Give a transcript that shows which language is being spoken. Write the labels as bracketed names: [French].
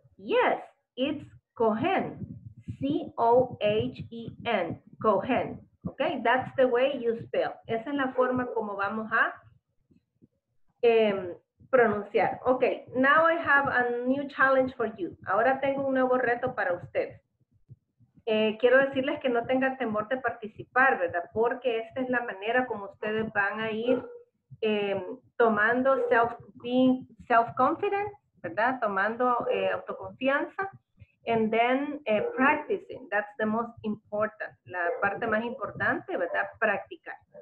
[English] Yes, it's Cohen, C-O-H-E-N, Cohen. Ok, that's the way you spell. [Spanish] Esa es la forma como vamos a pronunciar. [English] Ok, now I have a new challenge for you. [Spanish] Ahora tengo un nuevo reto para usted. Quiero decirles que no tengan temor de participar, ¿verdad? Porque esta es la manera como ustedes van a ir tomando self-confidence, ¿verdad? Tomando autoconfianza. [English] And then practicing, that's the most important, [Spanish] la parte más importante, ¿verdad? Practicar.